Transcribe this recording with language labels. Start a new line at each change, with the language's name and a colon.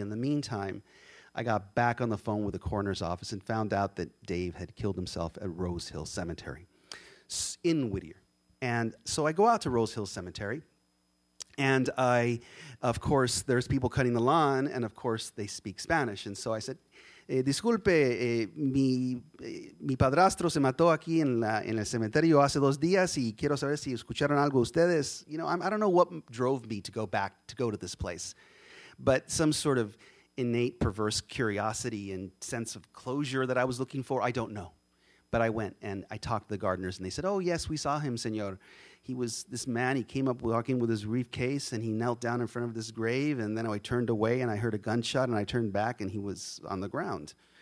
English: In the meantime, I got back on the phone with the coroner's office and found out that Dave had killed himself at Rose Hill Cemetery in Whittier. And so I go out to Rose Hill Cemetery, and I, of course, there's people cutting the lawn, and of course, they speak Spanish. And so I said,
Spanish: disculpe, mi padrastro se mató aquí en el cementerio hace dos días y quiero saber si escucharon algo ustedes.
English: You know, I don't know what drove me to go back to go to this place, but some sort of innate perverse curiosity and sense of closure that I was looking for, I don't know. But I went and I talked to the gardeners and they said, oh yes, we saw him, senor. He was this man, he came up walking with his briefcase and he knelt down in front of this grave and then I turned away and I heard a gunshot and I turned back and he was on the ground.